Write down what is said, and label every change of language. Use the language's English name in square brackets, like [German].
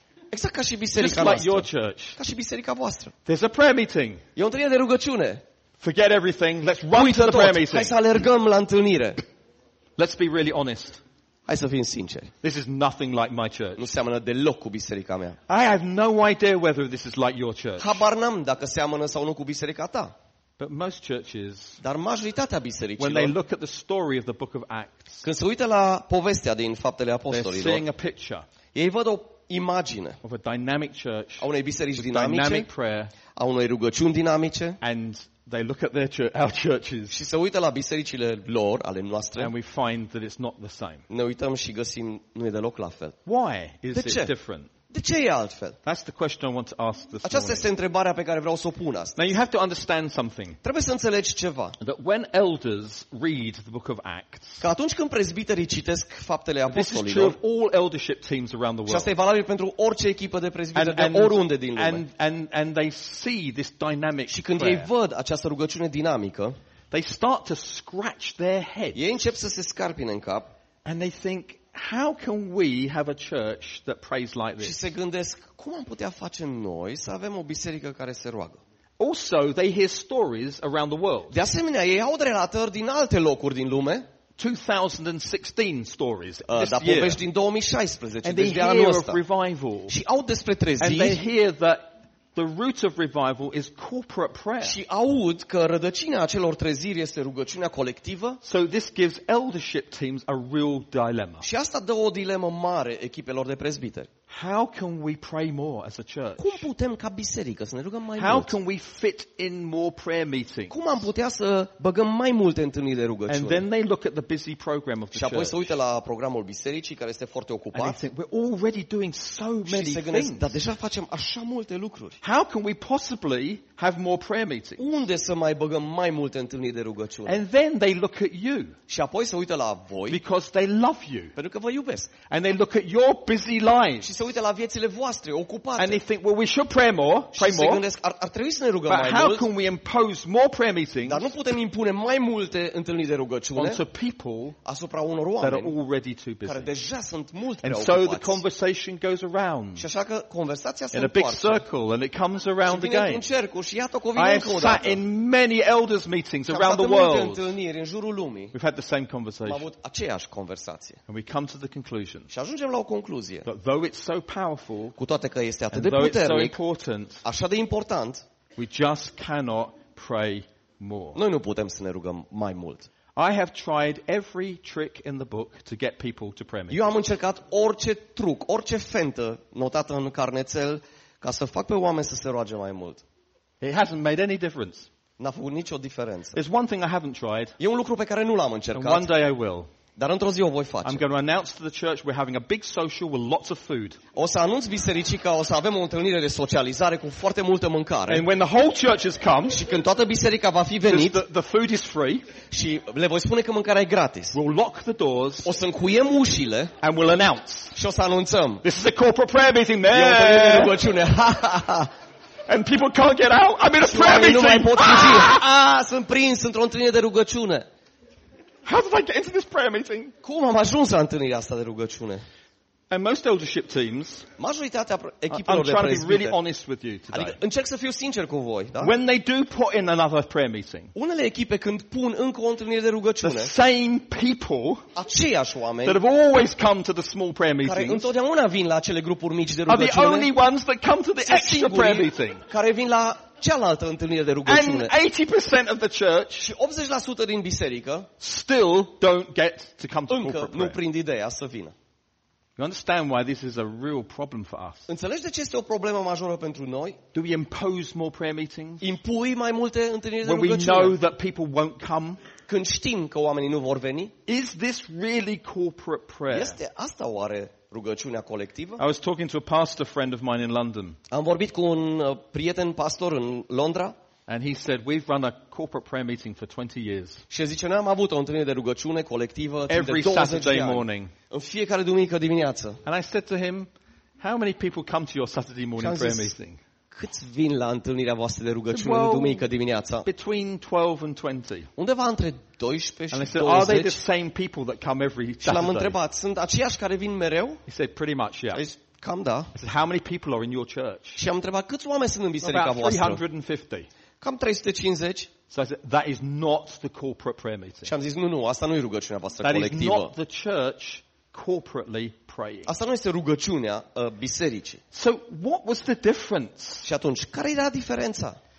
[Romanian] Exact ca și biserica noastră. [English] Just like your church. [Romanian] Ca și biserica voastră. [English] There's a prayer meeting. [Romanian] E o întâlnire de rugăciune. [English] Forget everything. Let's run to the prayer meeting. [Romanian] Hai să alergăm la întâlnire. [English] Let's be really honest. [Romanian] Hai să fim sinceri. [English] This is nothing like my church. [Romanian] Nu seamănă deloc cu biserica mea. [English] I have no idea whether this is like your church. [Romanian] Habar n-am dacă seamănă sau nu cu biserica ta. [English] But most churches, [Romanian] dar majoritatea bisericilor, [English] when they look at the story of the book of Acts, [Romanian] când se uită la povestea din Faptele Apostolilor, [English] they're seeing a picture. [Romanian] Ei văd o imagine [English] of a dynamic church, [Romanian] a unei biserici [English] with dynamic [Romanian] dinamice, [English] prayer, [Romanian] a unei rugăciuni dinamice, [English] and they look at their our churches, [Romanian] și se uită la bisericile lor, ale noastre, [English] and we find that it's not the same. [Romanian] Ne uităm și găsim nu e deloc la fel. [English] Why is it different? [Romanian] De ce e altfel? [English] That's the question I want to ask this. [Romanian] Aceasta este întrebarea pe care vreau să o pun astăzi. [English] Now you have to understand something. [Romanian] Trebuie să înțelegi ceva. [English] That when elders read the book of Acts. [Romanian] Că atunci când prezbiterii citesc Faptele Apostolilor. [English] This is true of all eldership teams around the world. [Romanian] Și asta e valabil pentru orice echipă de prezbiteri de oriunde din lume. [English] And they see this dynamic. [Romanian] Și când ei văd această rugăciune dinamică, [English] they start to scratch their heads. [Romanian] Ei încep să se scarpine în cap. [English] And they think, how can we have a church that prays like this? [Romanian] Și se gândesc, cum am putea face noi să avem o biserică care se roagă? [English] Also, they hear stories around the world. [Romanian] De asemenea, ei aud relatări din alte locuri din lume. [English] 2016 stories. [Romanian] Dar povești din 2016, deci de anul ăsta. [English] Revival. [Romanian] Și aud despre trezire. [English] And they hear that the root of revival is corporate prayer. [Romanian] Și aud că rădăcina acelor treziri este rugăciunea colectivă. [English] So this gives eldership teams a real dilemma. [Romanian] Și asta dă o dilemă mare echipelor de prezbiteri. [English] How can we pray more as a church? [Romanian] Cum putem ca biserică să ne rugăm mai mult? [English] How can we fit in more prayer meetings? [Romanian] Cum am putea să băgăm mai multe întâlniri de rugăciune? [English] And then they look at the busy program of the church. [Romanian] Și apoi se uită la programul bisericii care este foarte ocupat. [English] And they think, we're already doing so many things. [Romanian] Dar deja facem așa multe lucruri. [English] How can we possibly have more prayer meetings? [Romanian] Unde să mai băgăm mai multe întâlniri de rugăciune? [English] And then they look at you. [Romanian] Și apoi se uită la voi. [English] Because they love you. [Romanian] Pentru că vă iubesc. [English] And they look at your busy lives. [Romanian] Se uită la viețile voastre ocupate. [English] And they think, well, we should pray more, pray more. [Romanian] Se gândesc, ar trebui să ne rugăm [English] but [Romanian] mai mult. [English] How can we impose more prayer meetings? [Romanian] Dar nu putem impune mai multe întâlniri de rugăciune [English] onto people [Romanian] asupra unor oameni [English] that are already too busy. [Romanian] Care deja sunt mult prea ocupați. [English] And so the conversation goes around. [Romanian] Și așa că conversația se întoarce. [English] In a big circle and it comes around again. [Romanian] Într-un cercul și iată că vine încă o dată. [English] I have sat in many elders meetings around the world. [Romanian] Am avut multe întâlniri în jurul lumii. [English] We've had the same conversation. [Romanian] Am avut aceeași conversație. [English] And we come to the conclusion. [Romanian] Și ajungem la o concluzie. [English] So powerful, [Romanian] cu toate că este atât de puternic, [English] so [Romanian] așa de important, [English] we just cannot pray more. [Romanian] Noi nu putem să ne rugăm mai mult. [English] I have tried every trick in the book to get people to pray more. [Romanian] Eu am încercat orice truc, orice fentă notată în carnețel ca să fac pe oameni să se roage mai mult. [English] It hasn't made any difference. [Romanian] N-a făcut nicio diferență. [English] There's one thing I haven't tried. [Romanian] E un lucru pe care nu l-am încercat. [English] And one day I will. [Romanian] Dar într-o zi o voi face. [English] I'm going to announce to the church we're having a big social with lots of food. [Romanian] O să anunț bisericii că o să avem o întâlnire de socializare cu foarte multă mâncare. [English] And when the whole church has come, [Romanian] și când toată biserica va fi venit, [English] the food is free, [Romanian] și le voi spune că mâncarea e gratis. [English] We'll lock the doors, [Romanian] o să încuiem ușile, [English] and we'll announce. [Romanian] Și o să anunțăm. [English] This is a corporate prayer meeting, man. [Romanian] E o întâlnire de rugăciune. [English] And people can't get out. I'm in a prayer meeting. [Romanian] Nu mai pot ieși. Sunt prins într-o întâlnire de rugăciune. [English] How did I get into this prayer meeting? [Romanian] Cum am ajuns la întâlnirea asta de rugăciune? [English] And most eldership teams, [Romanian] majoritatea echipelor de prezbiteri, [English] I'm trying to be really honest with you today. [Romanian] Adică încerc să fiu sincer cu voi, da? [English] When they do put in another prayer meeting, [Romanian] unele echipe când pun încă o întâlnire de rugăciune, [English] the same people, [Romanian] aceiași oameni, [English] that have always come to the small prayer meetings, [Romanian] care întotdeauna vin la acele grupuri mici de rugăciune, [English] are the only ones that come to the extra prayer meeting, [Romanian] care vin la cealaltă întâlnire de rugăciune. [English] And 80% of the church, [Romanian] și 80% din biserică, [English] still don't get to come to corporate prayer. [Romanian] Încă nu prind ideea să vină. [English] You understand why this is a real problem for us? [Romanian] Înțelegi de ce este o problemă majoră pentru noi? [English] Do we impose more prayer meetings? [Romanian] Impui mai multe întâlniri de [English] when [Romanian] rugăciune? [English] We know that people won't come? [Romanian] Când știm că oamenii nu vor veni? [English] Is this really corporate prayer? [Romanian] Este asta oare rugăciunea colectivă? [English] I was talking to a pastor friend of mine in London. [Romanian] Am vorbit cu un prieten pastor în Londra. [English] And he said we've run a corporate prayer meeting for 20 years. [Romanian] Și zice, noi am avut o întâlnire de rugăciune colectivă timp [English] every [Romanian] de 20 [English] Saturday morning. [Romanian] În fiecare duminică dimineață. [English] And I said to him, how many people come to your Saturday morning [Romanian] zis, [English] prayer meeting? [Romanian] Câți vin la întâlnirea voastră de rugăciune [English] well, [Romanian] duminică dimineața? [English] Between 12 and 20. [Romanian] Undeva între 12 și [English] And I said, are they the same people that come every Saturday? [Romanian] Și l-am întrebat, sunt aceiași care vin mereu? [English] He said, pretty much, yeah. [Romanian] Cam da. [English] I said, how many people are in your church? [Romanian] Și am întrebat, câți oameni sunt în biserica [English] about [Romanian] voastră? [English] 350. [Romanian] Cam 350. [English] So I said, that is not the corporate prayer meeting. [Romanian] Și am zis, nu, asta nu e rugăciunea voastră [English] that [Romanian] colectivă. [English] That is not the church corporately praying. [Romanian] Asta nu este rugăciunea bisericii. [English] So what was the difference? [Romanian] Și atunci, care era diferența?